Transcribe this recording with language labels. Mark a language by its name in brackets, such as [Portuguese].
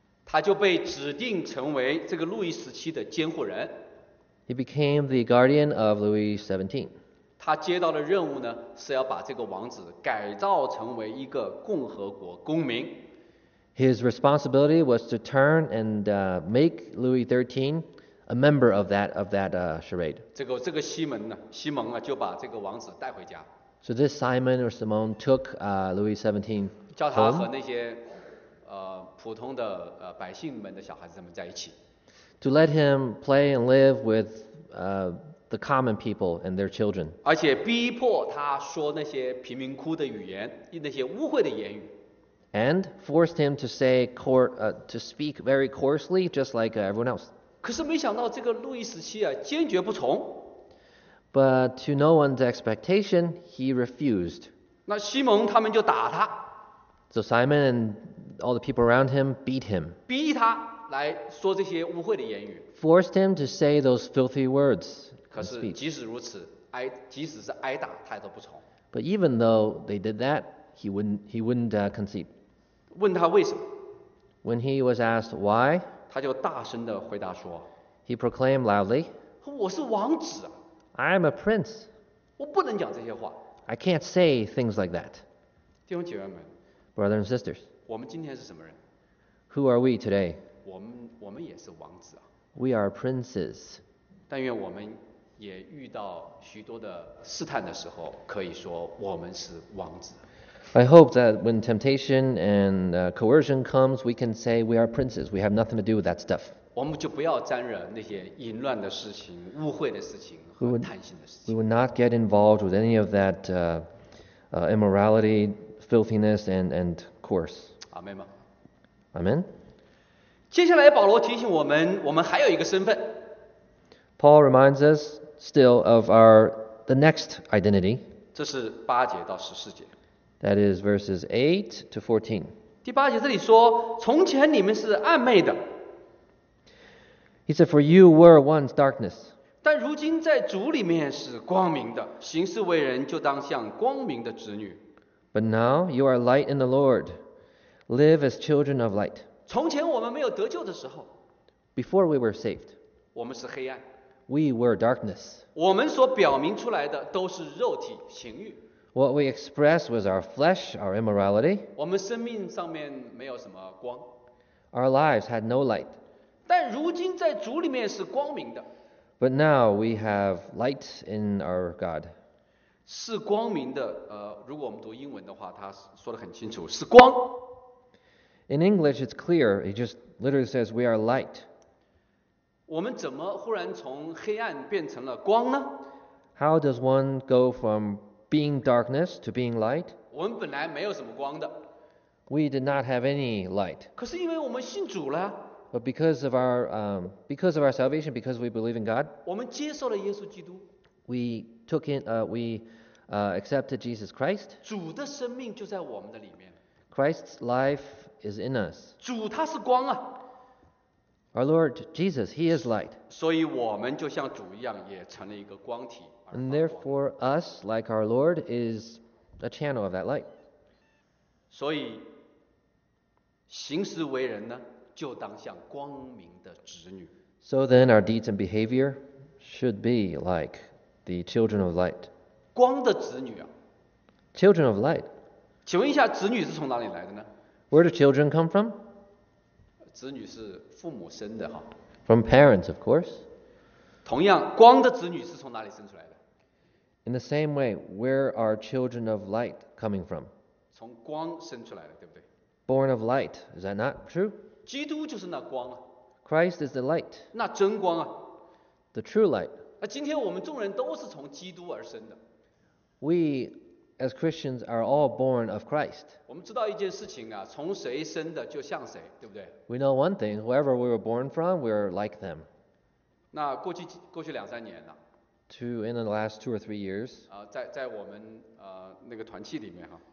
[Chinese] 他就被指定成为这个路易十七的监护人。 [English] He became the guardian of Louis XVII. [Chinese] 他接到的任务呢，是要把这个王子改造成为一个共和国公民。 [English] His responsibility was to turn and make Louis XIII a member of that charade. [Chinese] 这个西蒙啊，就把这个王子带回家。 [English] So this Simon or Simone took Louis XVII. [Chinese] 叫他和那些。普通的百姓们的小孩子们在一起。 [English] To let him play and live with the common people and their children. [Chinese] 而且逼迫他说那些贫民窟的语言，那些污秽的言语。 [English] And forced him to say to speak very coarsely, just like everyone else. [Chinese] 可是没想到这个路易十七啊，坚决不从。 [English] But to no one's expectation, he refused. [Chinese] 那西蒙他们就打他。 [English] So Simon and all the people around him beat him. [Chinese] 逼他来说这些污秽的言语。 [English] Forced him to say those filthy words. [Chinese] 可是即使如此，即使是挨打，他都不从。 [English] But even though they did that, he wouldn't concede. [Chinese] 问他为什么？ [English] When he was asked why, [Chinese] 他就大声地回答说。 [English] He proclaimed loudly, [Chinese] 我是王子。 [English] I am a prince. [Chinese] 我不能讲这些话。 [English] I can't say things like that. [Chinese] 弟兄姐妹们。 [English] Brothers and sisters, [Chinese] 我们今天是什么人？ [English] Who are we today? [Chinese] 我们也是王子啊。 [English] We are princes. [Chinese] 但愿我们也遇到许多的试探的时候，可以说我们是王子。 [English] I hope that when temptation and coercion comes, we can say we are princes. We have nothing to do with that stuff. [Chinese] 我们就不要沾惹那些淫乱的事情、污秽的事情和贪心的事情。 [English] We will not get involved with any of that immorality. Filthiness and course. Amen. Amen. [Chinese] 接下来保罗提醒我们，我们还有一个身份。 [English] Paul reminds us still of our the next identity. [Chinese] 这是八节到十四节。 [English] That is verses 8 to 14. [Chinese] 第八节这里说，从前你们是暧昧的。 [English] He said, "For you were once darkness." [Chinese] 但如今在主里面是光明的，行事为人就当像光明的子女。 [English] But now you are light in the Lord. Live as children of light. [Chinese] 从前我们没有得救的时候， [English] Before we were saved, [Chinese] 我们是黑暗， [English] We were darkness. [Chinese] 我们所表明出来的都是肉体情欲。 [English] What we expressed was our flesh, our immorality. [Chinese] 我们生命上面没有什么光。 [English] Our lives had no light. [Chinese] 但如今在主里面是光明的。 [English] But now we have light in our God. [Chinese] 是光明的，如果我们读英文的话，他说得很清楚，是光。 [English] In English, it's clear. It just literally says we are light. [Chinese] 我们怎么忽然从黑暗变成了光呢？ [English] How does one go from being darkness to being light? [Chinese] 我们本来没有什么光的。 [English] We did not have any light. [Chinese] 可是因为我们信主了。 [English] But because of our salvation, because we believe in God. [Chinese] 我们接受了耶稣基督。 [English] We accepted Jesus Christ. [Chinese] 主的生命就在我们的里面。 [English] Christ's life is in us. [Chinese] 主他是光啊。 [English] Our Lord Jesus, He is light. [Chinese] 所以我们就像主一样，也成了一个光体。 [English] And therefore, us like our Lord is a channel of that light. [Chinese] 所以行事为人呢，就当像光明的子女。 [English] So then, our deeds and behavior should be like. The children of light. [Chinese] 光的子女啊。 [English] Children of light. [Chinese] 请问一下，子女是从哪里来的呢？ [English] Where do children come from? [Chinese] 子女是父母生的哈。 [English] From parents, of course. [Chinese] 同样，光的子女是从哪里生出来的？ [English] In the same way, where are children of light coming from? [Chinese] 从光生出来的，对不对？ [English] Born of light, is that not true? [Chinese] 基督就是那光啊。 [English] Christ is the light. [Chinese] 那真光啊。 [English] The true light. [Chinese] 今天我们众人都是从基督而生的。 [English] We as Christians are all born of Christ. [Chinese] 我们知道一件事情啊，从谁生的就像谁，对不对？ [English] We know one thing, whoever we were born from, we are like them. [Chinese] 那过去两三年了。 [English] In the last two or three years. [Chinese] 在我们那个团契里面哈。